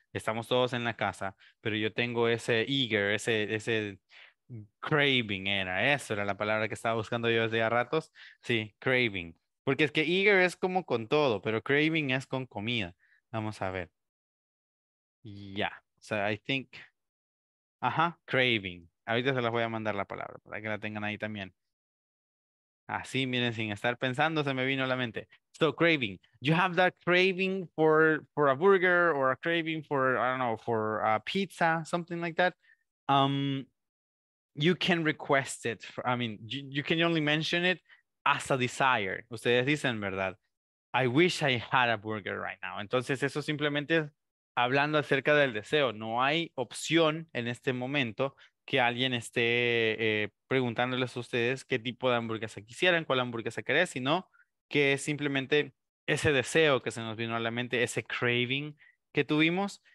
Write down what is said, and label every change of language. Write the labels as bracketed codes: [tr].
[es] Estamos todos en la casa, pero yo tengo ese eager, ese craving, era eso, era la palabra que estaba buscando yo desde hace ratos. Sí, craving. Porque es que eager es como con todo, pero craving es con comida. Vamos a ver. [en] Yeah, so I think, ajá, craving. [es] Ahorita se las voy a mandar la palabra para que la tengan ahí también. Así, miren, sin estar pensando, se me vino a la mente. [en] So, craving. You have that craving for a burger or a craving for, I don't know, for a pizza, something like that. You can request it. You can only mention it as a desire. [es] Ustedes dicen, ¿verdad? [en] I wish I had a burger right now. [es] Entonces, eso simplemente es hablando acerca del deseo. No hay opción en este momento que alguien esté preguntándoles a ustedes qué tipo de hamburguesa quisieran, cuál hamburguesa querés, sino que es simplemente ese deseo que se nos vino a la mente, ese craving que tuvimos.